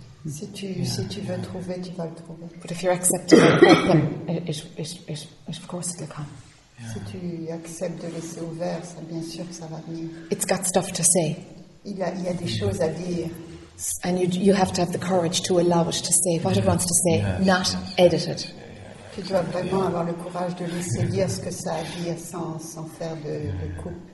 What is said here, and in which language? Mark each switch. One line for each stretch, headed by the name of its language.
French: Si tu veux trouver, tu vas le trouver.
English: But if you accept it, then it, of course it'll come. Yeah.
French: Si tu acceptes de laisser ouvert, ça, bien sûr, ça va venir.
English: It's got stuff to say.
French: Il y a des choses à dire.
English: And you have to have the courage to allow it to say what it wants to say, not edit it.
French: Tu dois vraiment avoir le courage de laisser dire ce que ça a à dire sans faire de coupe.